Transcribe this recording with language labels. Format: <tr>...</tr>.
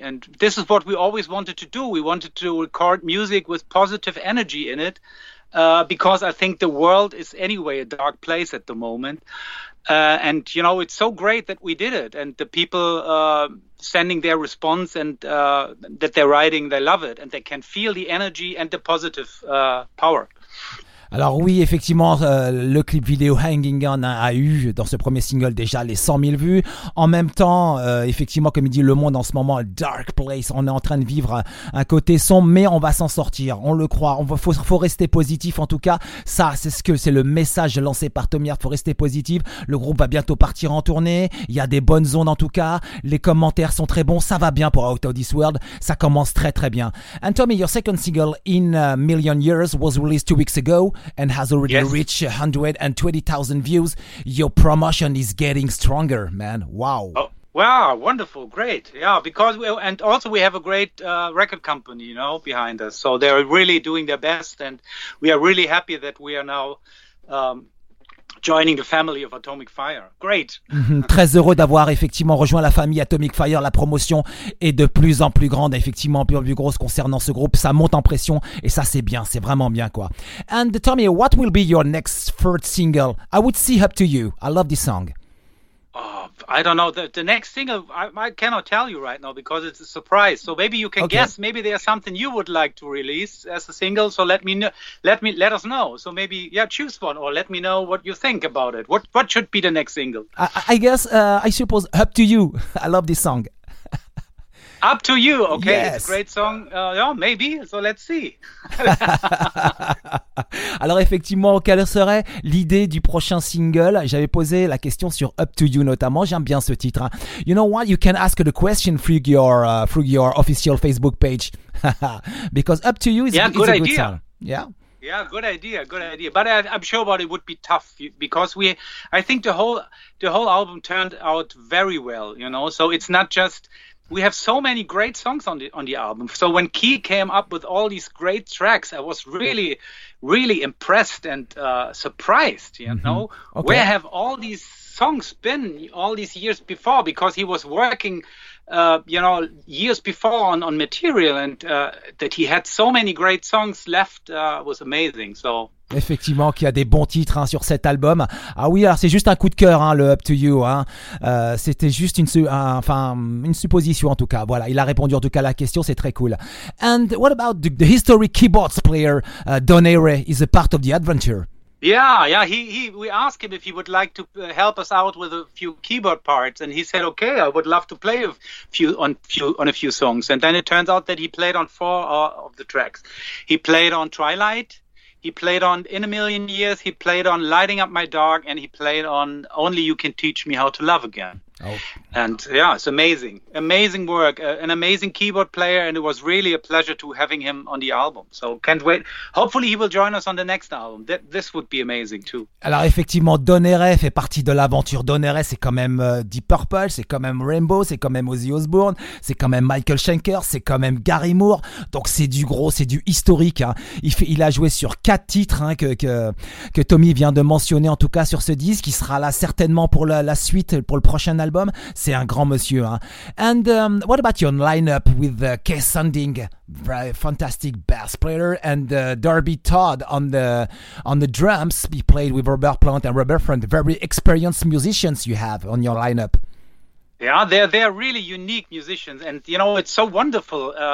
<en>And this is what we always wanted to do. We wanted to record music with positive energy in it, because I think the world is anyway a dark place at the moment. And, you know, it's so great that we did it, and the people sending their response, and that they're writing, they love it, and they can feel the energy and the positive power.</en> <fr>Alors oui, effectivement, le clip vidéo Hanging On a eu dans ce premier single déjà les 100 000 vues. En même temps, effectivement, comme il dit, le monde en ce moment,</fr> <en>dark place,</en> <fr>on est en train de vivre un côté sombre, mais on va s'en sortir, on le croit. Faut rester positif, en tout cas. Ça, c'est le message lancé par Tommy Hart, faut rester positif. Le groupe va bientôt partir en tournée. Il y a des bonnes ondes, en tout cas. Les commentaires sont très bons. Ça va bien pour Out of This World. Ça commence très, très bien.</fr> <en>And Tommy, your second single, In a Million Years, was released 2 weeks ago. And has already reached 120,000 views. Your promotion is getting stronger, man. Wow. Oh, wow, wonderful, great. Yeah, because we have a great record company, you know, behind us. So they're really doing their best, and we are really happy that we are now joining the family of Atomic Fire. Great.</en> <fr>Très heureux d'avoir effectivement rejoint la famille Atomic Fire. La promotion est de plus en plus grande, effectivement, plus en plus grosse concernant ce groupe. Ça monte en pression, et ça, c'est bien. C'est vraiment bien, quoi.</fr> <en>And Tommy, what will be your next third single? I would see up to you. I love this song. Oh, I don't know. The next single, I cannot tell you right now because it's a surprise. So maybe you can guess. Maybe there's something you would like to release as a single. So let us know. So maybe, choose one, or let me know what you think about it. What should be the next single? I guess, I suppose, up to you. I love this song. Up to you. Okay, yes. It's a great song. Yeah, maybe. So let's see.</en> <fr>Alors effectivement, quelle serait l'idée du prochain single? J'avais posé la question sur Up to You notamment. J'aime bien ce titre.</fr> <en>You know what? You can ask the question through your official Facebook page. Because Up to You is, yeah, is good a idea. Good song. Yeah. Yeah, good idea, good idea. But I'm sure about it would be tough because I think the whole album turned out very well, you know. So it's not just, we have so many great songs on the album. So when Key came up with all these great tracks, I was really, really impressed and surprised, you mm-hmm. know. Okay. Where have all these songs been all these years before? Because he was working, you know, years before on material, and that he had so many great songs left was amazing. So</en> <fr>effectivement, qu'il y a des bons titres hein, sur cet album. Ah oui, alors c'est juste un coup de cœur, hein, le Up to You. Hein. C'était juste une supposition en tout cas. Voilà, il a répondu en tout cas à la question. C'est très cool.</fr> <en>And what about the history keyboards player Don Airey? Is a part of the adventure? Yeah. He. We asked him if he would like to help us out with a few keyboard parts, and he said, "Okay, I would love to play a few songs." And then it turns out that he played on four of the tracks. He played on Twilight. He played on In a Million Years. He played on Lighting Up My Dark, and he played on Only You Can Teach Me How to Love Again. Oh. And yeah, it's amazing, amazing work, an amazing keyboard player, and it was really a pleasure to having him on the album. So can't wait. Hopefully, he will join us on the next album. This would be amazing too.</en> <fr>Alors effectivement, Don Airey fait partie de l'aventure. Don Airey, c'est quand même Deep Purple, c'est quand même Rainbow, c'est quand même Ozzy Osbourne, c'est quand même Michael Schenker, c'est quand même Gary Moore. Donc c'est du gros, c'est du historique. Hein. Il a joué sur 4 titres hein, que Tommy vient de mentionner en tout cas sur ce disque, qui sera là certainement pour la suite, pour le prochain album. C'est un grand monsieur. Hein.</fr> <en>And what about your lineup with Keith Sanding, very fantastic bass player, and Darby Todd on the drums? He played with Robert Plant and Robert Front, very experienced musicians you have on your lineup. Yeah, they're really unique musicians, and you know, it's so wonderful.</en>